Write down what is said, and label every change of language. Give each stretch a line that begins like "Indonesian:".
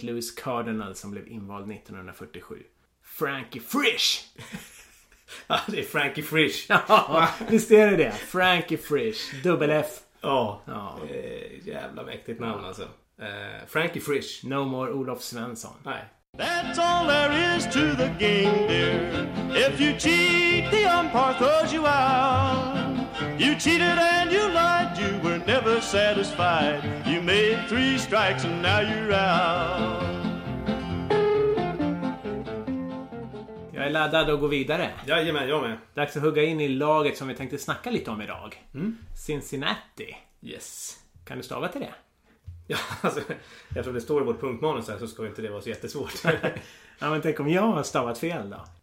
Swedish: Louis Cardinals som blev invald 1947. Frankie Frisch! Ja, det är Frankie Frisch. Ja, visst är det det? Frankie Frisch, dubbel F. Oh, ja, jävla mäktigt namn alltså. Frankie Frisch.
English: No more Olof Svensson.
Swedish: Nej.
English: That's all there is to the game, dear. If you cheat, the umpire throws you out. You cheated and you lied, you were never satisfied. You made three strikes and now you're out.
Swedish: Jag är laddad och går vidare. Jajamän, jag med. Dags att hugga in i laget som vi tänkte snacka lite om idag. Mm. Cincinnati. Yes. Kan du stava till det? Ja, alltså, jag tror det står i vårt punktmanus här, så ska inte det vara så jättesvårt. Ja, men tänk om jag har stavat fel då.